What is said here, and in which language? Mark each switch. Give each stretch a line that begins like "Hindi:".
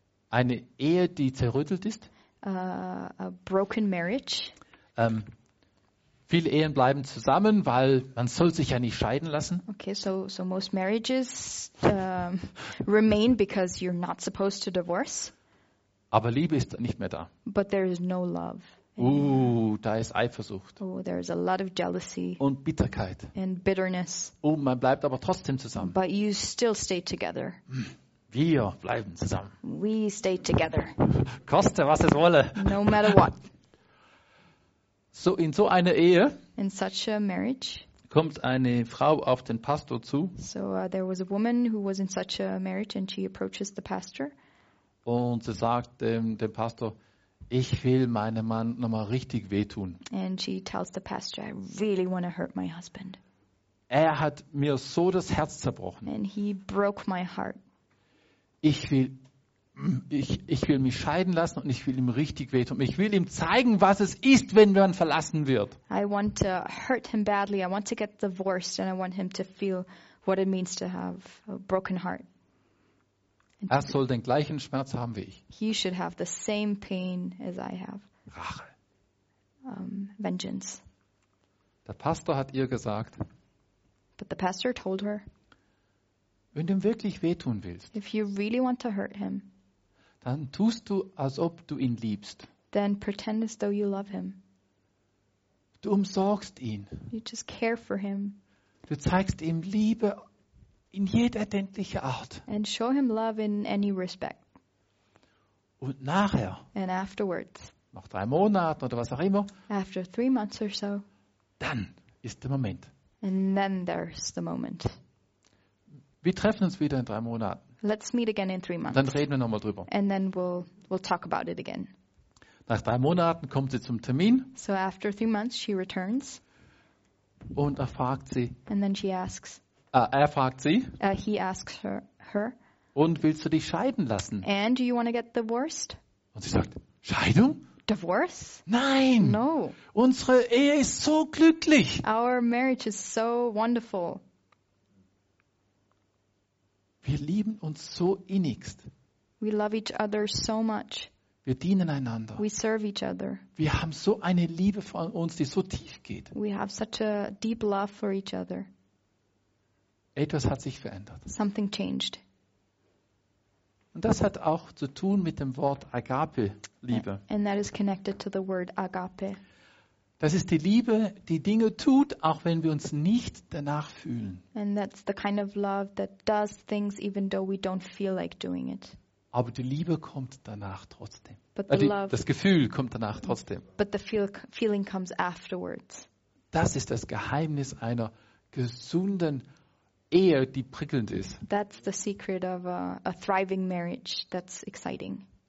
German: Eine Ehe, die zerrüttelt ist.
English: A broken marriage.
German: Viele Ehen bleiben zusammen, weil man soll sich ja nicht scheiden lassen.
English: Okay, so most marriages remain because you're not supposed to divorce.
German: Aber Liebe ist nicht mehr da.
English: But there is no love.
German: Da ist Eifersucht.
English: Oh, there is a lot of jealousy.
German: Und Bitterkeit.
English: And bitterness.
German: Oh, man bleibt aber trotzdem zusammen.
English: But you still stay together.
German: Wir bleiben zusammen.
English: We stay together.
German: Koste, was es wolle.
English: No matter what.
German: So in so einer Ehe
English: in such a marriage,
German: kommt eine Frau auf den Pastor zu.
English: So there was a woman who was in such a marriage and she approaches the pastor.
German: Und sie sagt dem Pastor, ich will meinem Mann nochmal richtig wehtun.
English: And she tells the pastor, I really want to hurt my husband.
German: Er hat mir so das Herz zerbrochen.
English: And he broke my heart.
German: Ich will mich scheiden lassen und ich will ihm richtig wehtun. Ich will ihm zeigen, was es ist, wenn man verlassen wird.
English: I want to hurt him badly. I want to get divorced and I want him to feel what it means to have a broken heart.
German: Er soll den gleichen Schmerz haben wie ich.
English: He should have the same pain as I have.
German: Rache.
English: Vengeance.
German: Der Pastor hat ihr gesagt.
English: But the pastor told her.
German: Wenn du ihm wirklich wehtun willst.
English: If you really want to hurt him.
German: Dann tust du, als ob du ihn liebst.
English: Then pretend as though you love him.
German: Du umsorgst ihn.
English: You just care for him.
German: Du zeigst ihm Liebe in jeder erdenklichen Art.
English: And show him love in any respect.
German: Und nachher.
English: And afterwards.
German: Nach 3 Monaten oder was auch immer.
English: After 3 months or so.
German: Dann ist der Moment.
English: And then there's the moment.
German: Wir treffen uns wieder in 3 Monaten.
English: Let's meet again in 3 months.
German: Dann reden wir nochmal drüber.
English: And then we'll talk about it again.
German: Nach 3 Monaten kommt sie zum Termin.
English: So after 3 months she returns.
German: Und er fragt sie.
English: And then she asks.
German: Er fragt sie.
English: He asks her.
German: Und willst du dich scheiden lassen?
English: And do you want to get divorced?
German: Und sie sagt, Scheidung?
English: Divorce?
German: Nein.
English: No.
German: Unsere Ehe ist so glücklich.
English: Our marriage is so wonderful.
German: Wir lieben uns so innigst.
English: We love each other so much.
German: Wir dienen einander.
English: We serve each other.
German: Wir haben so eine Liebe für uns, die so tief geht.
English: We have such a deep love for each other.
German: Etwas hat sich verändert.
English: Something changed.
German: Und das hat auch zu tun mit dem Wort Agape, Liebe.
English: And that is connected to the word agape.
German: Das ist die Liebe, die Dinge tut, auch wenn wir uns nicht danach fühlen.
English: And that's the kind of love that does things even though we don't feel like doing it.
German: Aber die Liebe kommt danach trotzdem.
English: But the love,
German: das Gefühl kommt danach trotzdem.
English: But the feeling comes afterwards.
German: Das ist das Geheimnis einer gesunden Ehe, die prickelnd ist.
English: That's the secret of a thriving marriage that's exciting.